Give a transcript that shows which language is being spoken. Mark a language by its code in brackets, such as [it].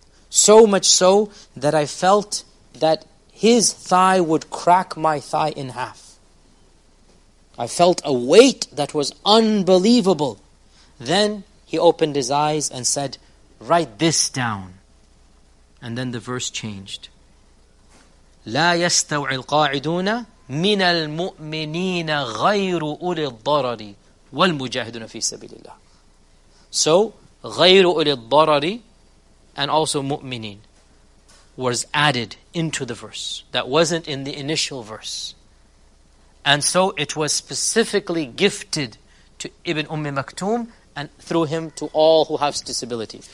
[en] So much so that I felt that his thigh would crack my thigh in half. I felt a weight that was unbelievable. Then he opened his eyes and said, write this down. And then the verse changed. [ar] لا يستوعي القاعدون من المؤمنين غير أولي الضرر والمجاهدون في سبيل الله. [en] So [ar] غير أولي الضرر [en] and also مؤمنين was added into the verse that wasn't in the initial verse, and so it was specifically gifted to Ibn Umm Maktum and through him to all who have disability.